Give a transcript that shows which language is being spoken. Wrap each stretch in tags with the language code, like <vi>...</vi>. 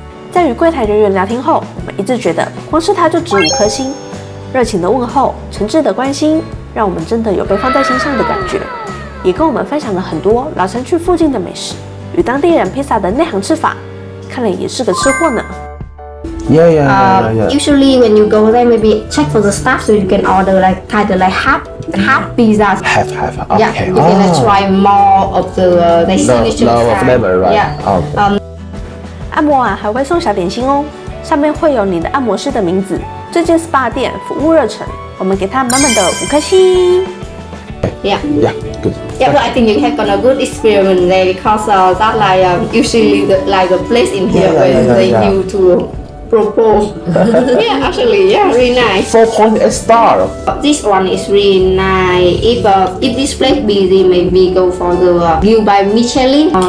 <zh>在与柜台人员聊天后，我们一致觉得光是他就值五颗星，热情的问候，诚挚的关心，让我们真的有被放在心上的感觉，也跟我们分享了很多老城区附近的美食与当地人披萨的内行吃法，看来也是个吃货呢。</zh> <en>Yeah. Usually when you go there, maybe check for the staff so you can order like either like half pizzas. Half. Okay. Yeah, you can try more of the signature flavor, right? Yeah. Okay.</en> <zh>按摩完还会送小点心哦，上面会有你的按摩师的名字。这间 SPA 店服务热忱，我们给他满满的五颗星。</zh> <en>Yeah, good. Yeah, but I think you have got a good experience there because that like usually the like the place in here where you to. Propose. Yeah, actually, yeah, really nice. 4.8 star. This one is really nice. If this place busy, maybe go for the view by Michelin.</en>